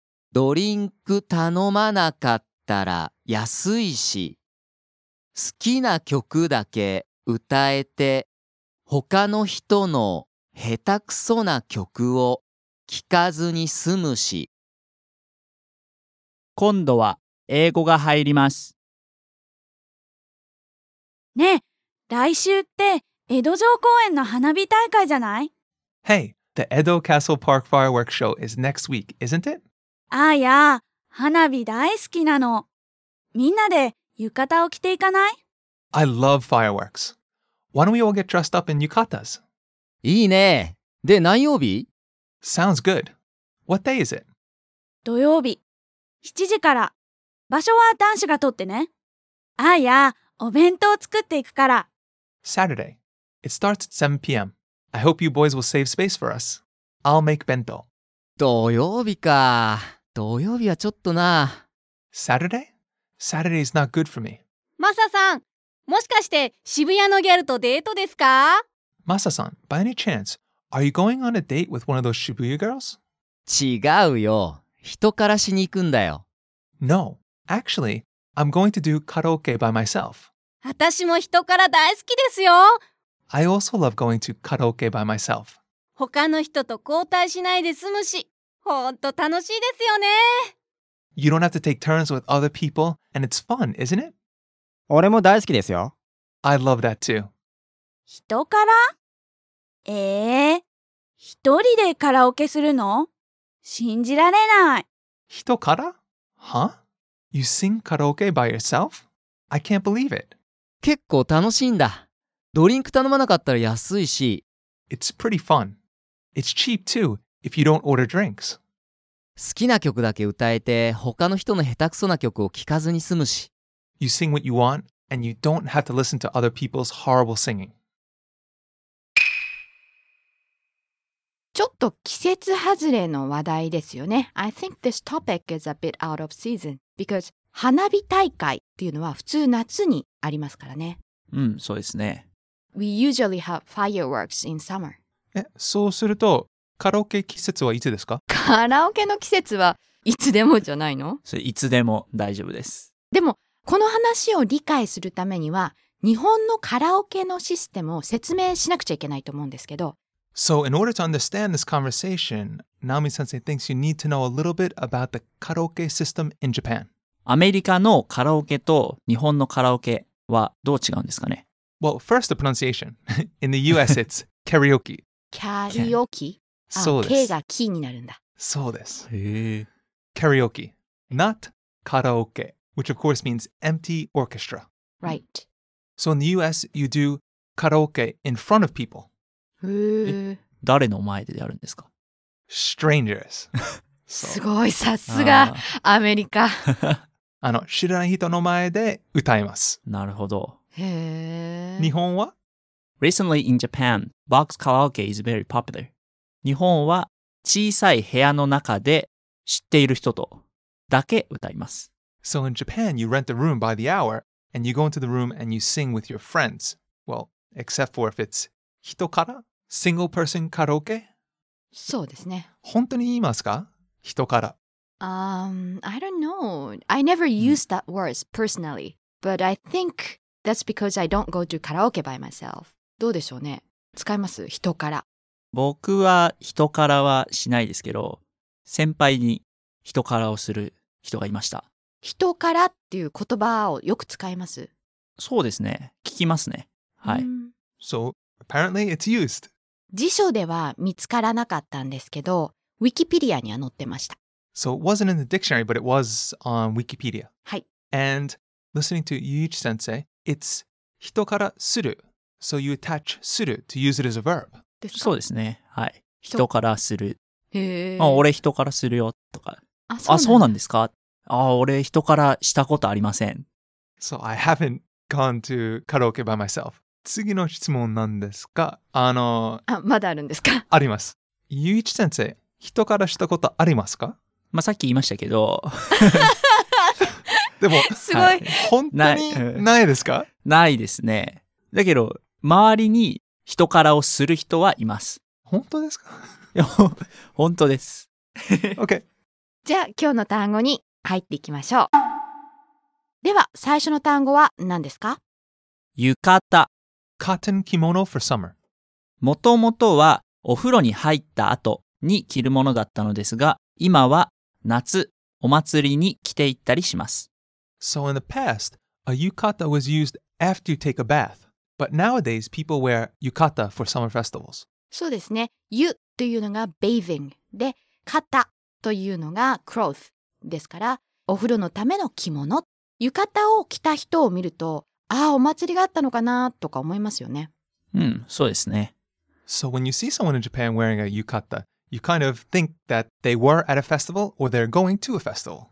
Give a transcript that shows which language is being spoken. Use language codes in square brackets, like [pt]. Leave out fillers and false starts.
[ja] ドリンク頼まなかったら安いし、好きな曲だけ歌えて他の人の下手くそな曲を聞かずに済むし。今度は英語が入ります。ねえ、来週って江戸城公園の花火大会じゃない？ [en] Hey, the Edo Castle Park Fireworks Show is next week, isn't it? [ja] あーやー、花火大好きなの。みんなで浴衣を着ていかない？ [en] I love fireworks. Why don't we all get dressed up in yukatas? [ja] いいね。で、何曜日？ [en] Sounds good. What day is it? [ja] 土曜日、7時から。場所は男子が取ってね。あーやー、お弁当作っていくから。 [en] Saturday. It starts at 7 p.m. I hope you boys will save space for us. I'll make bento. [ja] 土曜日か。土曜日はちょっとな。 [en] Saturday? Saturday is not good for me. [ja] マサさん、もしかして渋谷のギャルとデートですか？ [en] マサさん、by any chance, are you going on a date with one of those Shibuya girls? [ja] 違うよ。人からしに行くんだよ。 [en] No, actually, I'm going to do karaoke by myself. [ja] 私も人から大好きですよ。 [en] I also love going to karaoke by myself. [ja] 他の人と交代しないで済むし、ほんと楽しいですよね。 [en] You don't have to take turns with other people, and it's fun, isn't it? [ja] 俺も大好きですよ。 [en] I love that too. [ja] 人から？一人でカラオケするの？信じられない。人から？ [en] Huh? You sing karaoke by yourself? I can't believe it. [ja] 結構楽しいんだ。ドリンク頼まなかったら安いし。 [en] It's pretty fun. It's cheap too, if you don't order drinks. [ja] 好きな曲だけ歌えて、他の人の下手くそな曲を聴かずに済むし。 [en] You sing what you want, and you don't have to listen to other people's horrible singing. [ja] ちょっと季節外れの話題ですよね。 [en] I think this topic is a bit out of season, because [ja] 花火大会っていうのは普通夏にありますからね。うん、そうですね。 [en] We usually have fireworks in summer. [ja] そうすると、カラオケ季節はいつですか？カラオケの季節はいつでもじゃないの？それいつでも大丈夫です。でも、この話を理解するためには、日本のカラオケのシステムを説明しなくちゃいけないと思うんですけど。 [en] So, in order to understand this conversation, Naomi Sensei thinks you need to know a little bit about the karaoke system in Japan. [ja] アメリカのカラオケと日本のカラオケはどう違うんですかね？ [en] Well, first the pronunciation. In the US, it's karaoke. Karaoke? [ja] そうです。ああ、K がキーになるんだ。そうです。へー。 [en] Karaoke. Not karaoke, which of course means empty orchestra. Right. So in the US, you do karaoke in front of people. [ja] へー。誰の前でやるんですか？ [en] Strangers. [ja] すごい、さすがアメリカ。あの、知らない人の前で歌います。なるほど。日本は? [en] Recently in Japan, box karaoke is very popular. [ja] 日本は小さい部屋の中で知っている人とだけ歌います。 [en] So in Japan, you rent a room by the hour, and you go into the room and you sing with your friends. Well, except for if it's 人から? Single person karaoke? [ja] そうですね。本当に言いますか?人から。 [en] I don't know. I never used that word personally, but I think... That's because I don't go to karaoke by myself. [ja] どうでしょうね。使います？人から。僕は人からはしないですけど、先輩に人からをする人がいました。人からっていう言葉をよく使います。そうですね。聞きますね。はい。 [en] So apparently it's used. [ja] 辞書では見つからなかったんですけど、Wikipedia には載ってました。 [en] So it wasn't in the dictionary, but it was on Wikipedia. [ja] はい。 [en] And listening to Yuichi Sensei. It's 人からする。 So you attach する to use it as a verb. [ja] ですか？そうですね。はい。人からする。へぇ。まあ、俺人からするよとか。あ、そうなん、あ、そうなんですか？あ、俺人からしたことありません。 [en] So I haven't gone to karaoke by myself. [ja] 次の質問なんですか？あ、まだあるんですか？あります。ゆういち先生、人からしたことありますか？まあ、さっき言いましたけど。でもすごい、はい、本当にないですか？ないですね。だけど周りに人からをする人はいます。本当ですか？いや本当です。 [en] OK、 [ja] じゃあ今日の単語に入っていきましょう。では最初の単語は何ですか？浴衣。 [en] Cotton kimono for summer。 [ja] もともとはお風呂に入った後に着るものだったのですが、今は夏お祭りに着て行ったりします。 [en] So in the past, a yukata was used after you take a bath. But nowadays, people wear yukata for summer festivals. [ja] そうですね。ゆというのが bathing で、kata というのが cloth ですから、お風呂のための着物。浴衣を着た人を見ると、ああ、お祭りがあったのかなとか思いますよね。うん、そうですね。 [en] So when you see someone in Japan wearing a yukata,You kind of think that they were at a festival or they're going to a festival.